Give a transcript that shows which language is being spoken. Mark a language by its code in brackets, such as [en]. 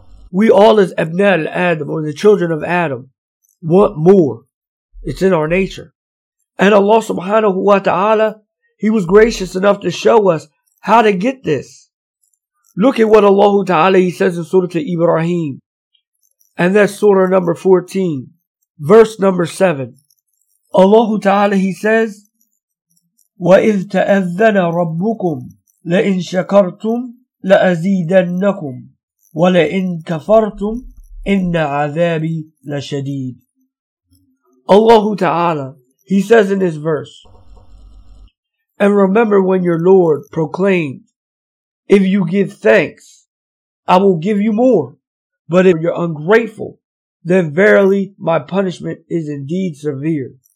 [en] We all as Ibna al-Adam, or the children of Adam, want more. It's in our nature. And Allah subhanahu wa ta'ala, He was gracious enough to show us how to get this. Look at what Allah ta'ala, He says in Surah to Ibrahim. And that's Surah number 14, verse number 7. Allah ta'ala, He says, [ar] وَإِذْ تَأَذَّنَ رَبُّكُمْ لَإِنْ شَكَرْتُمْ لَأَزِيدَنَّكُمْ وَلَإِنْ كَفَرْتُمْ إِنَّ عَذَابِي لَشَدِيدٌ. [en] Allah Ta'ala, He says in this verse, and remember when your Lord proclaimed, if you give thanks, I will give you more. But if you're ungrateful, then verily my punishment is indeed severe.